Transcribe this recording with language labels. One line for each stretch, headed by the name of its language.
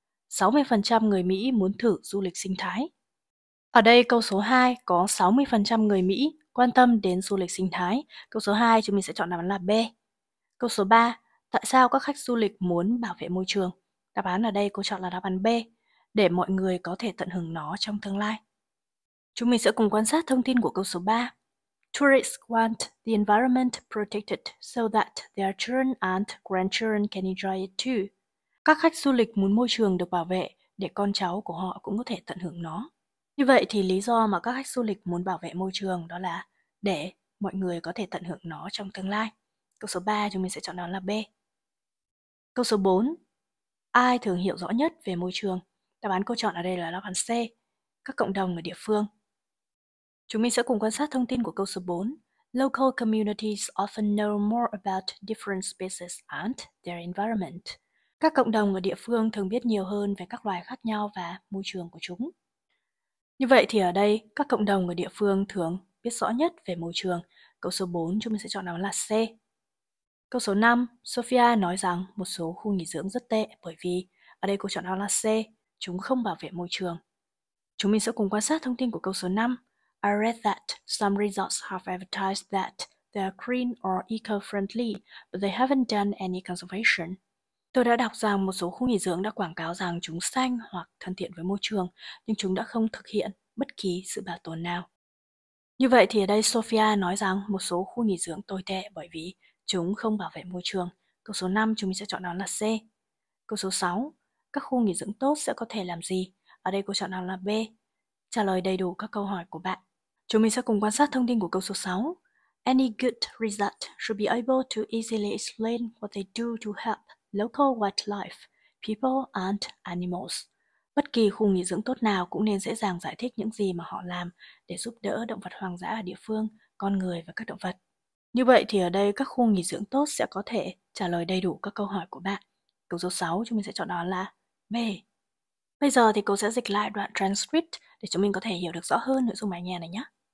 Vietnamese: 60% người Mỹ muốn thử du lịch sinh thái. Ở đây câu số 2 có 60% người Mỹ quan tâm đến du lịch sinh thái. Câu số 2 chúng mình sẽ chọn đáp án là B. Câu số 3, tại sao các khách du lịch muốn bảo vệ môi trường? Đáp án ở đây cô chọn là đáp án B, để mọi người có thể tận hưởng nó trong tương lai. Chúng mình sẽ cùng quan sát thông tin của câu số 3.
English: Tourists want the environment protected so that their children and grandchildren can enjoy it too.
Vietnamese: Các khách du lịch muốn môi trường được bảo vệ để con cháu của họ cũng có thể tận hưởng nó. Như vậy thì lý do mà các khách du lịch muốn bảo vệ môi trường đó là để mọi người có thể tận hưởng nó trong tương lai. Câu số 3 chúng mình sẽ chọn đó là B. Câu số 4. Ai thường hiểu rõ nhất về môi trường? Đáp án cô chọn ở đây là đáp án C. Các cộng đồng ở địa phương. Chúng mình sẽ cùng quan sát thông tin của câu số 4.
English: Local communities often know more about different species and their environment.
Vietnamese: Các cộng đồng ở địa phương thường biết nhiều hơn về các loài khác nhau và môi trường của chúng. Như vậy thì ở đây, các cộng đồng ở địa phương thường biết rõ nhất về môi trường. Câu số 4 chúng mình sẽ chọn đáp án là C. Câu số 5, Sophia nói rằng một số khu nghỉ dưỡng rất tệ bởi vì ở đây cô chọn đáp án là C, chúng không bảo vệ môi trường. Chúng mình sẽ cùng quan sát thông tin của câu số 5.
English: I read that some resorts have advertised that they are green or eco-friendly, but they haven't done any conservation.
Vietnamese: Tôi đã đọc rằng một số khu nghỉ dưỡng đã quảng cáo rằng chúng xanh hoặc thân thiện với môi trường, nhưng chúng đã không thực hiện bất kỳ sự bảo tồn nào. Như vậy thì ở đây Sophia nói rằng một số khu nghỉ dưỡng tồi tệ bởi vì chúng không bảo vệ môi trường. Câu số 5 chúng mình sẽ chọn đó là C. Câu số 6, các khu nghỉ dưỡng tốt sẽ có thể làm gì? Ở đây cô chọn đó là B. Trả lời đầy đủ các câu hỏi của bạn. Chúng mình sẽ cùng quan sát thông tin của câu số 6.
English: Any good resort should be able to easily explain what they do to help local wildlife, people and animals.
Vietnamese: Bất kỳ khu nghỉ dưỡng tốt nào cũng nên dễ dàng giải thích những gì mà họ làm để giúp đỡ động vật hoang dã ở địa phương, con người và các động vật. Như vậy thì ở đây các khu nghỉ dưỡng tốt sẽ có thể trả lời đầy đủ các câu hỏi của bạn. Câu số 6 chúng mình sẽ chọn đó là B. Bây giờ thì cô sẽ dịch lại đoạn transcript để chúng mình có thể hiểu được rõ hơn nội dung bài nghe này nhé.